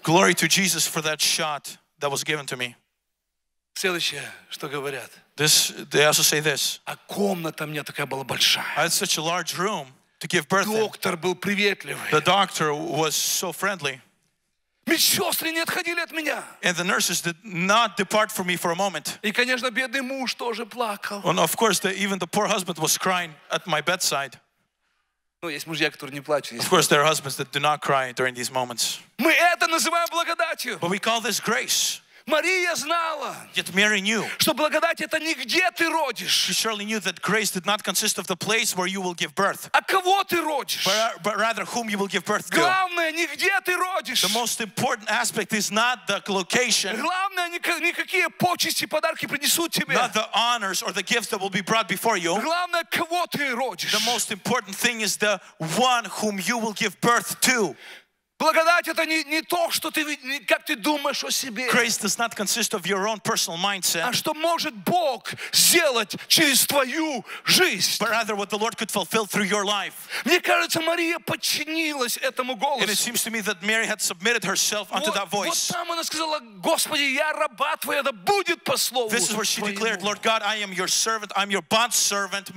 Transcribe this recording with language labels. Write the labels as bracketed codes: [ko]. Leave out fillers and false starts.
[en] Glory to Jesus for that shot that was given to me. [ru] Следующее, что говорят. [en] This, they also say this. [ru] А комната мне такая была большая. [en] I had such a large room to give birth in. [ru] Доктор был приветливый. [en] The doctor was so friendly. [ru] Медсестры не отходили от меня. [en] And the nurses did not depart from me for a moment. [ru] И, конечно, бедный муж тоже плакал. [en] And of course, even the poor husband was crying at my bedside. [ru] Ну, есть мужья, которые не плачут. [en] Of course, there are husbands that do not cry during these moments. [ru] Мы это называем благодатью. [en] But we call this grace. [ru] Мария знала, [en] yet Mary knew, [ru] что благодать это не где ты родишь. [en] She surely knew that grace did not consist of the place where you will give birth. [ru] А кого ты родишь? [en] But rather whom you will give birth to. [ru] Главное не где ты родишь. [en] The most important aspect is not the location. [ru] Главное не какие почести подарки принесут тебе. [en] Not the honors or the gifts that will be brought before you. [ru] Главное кого ты родишь. [en] The most important thing is the one whom you will give birth to. [ru] Благодать это не то, что ты как ты думаешь о себе. [en] Grace does not consist of your own personal mindset. [ru] А что может Бог сделать через твою жизнь? [en] But rather what the Lord could fulfill through your life. [ru] Мне кажется, Мария подчинилась этому голосу. [en] And it seems to me that Mary had submitted herself unto that voice. [ru] Вот там она сказала: Господи, я раба твоя, да будет по слову твоему. [en] This is where she declared, Lord God, I am your servant, I'm your bond servant.